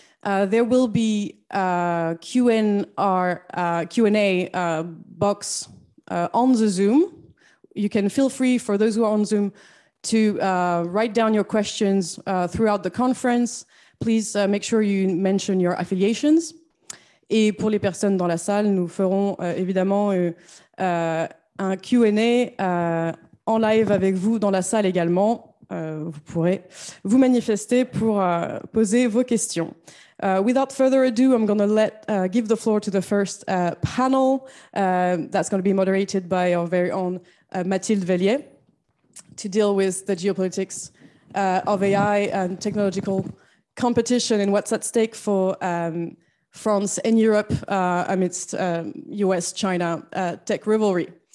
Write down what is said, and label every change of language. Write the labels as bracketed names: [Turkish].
[English] There will be a Q&A box on the Zoom. You can feel free, for those who are on Zoom, to write down your questions throughout the conference. Please make sure you mention your affiliations. [French] Et pour les personnes dans la salle, nous ferons évidemment un Q&A en live avec vous dans la salle également. Vous pourrez vous manifester pour poser vos questions. [English] Without further ado, I'm going to give the floor to the first panel that's going to be moderated by our very own Mathilde VELLIET to deal with the geopolitics of AI and technological competition and what's at stake for France and Europe amidst US-China tech rivalry.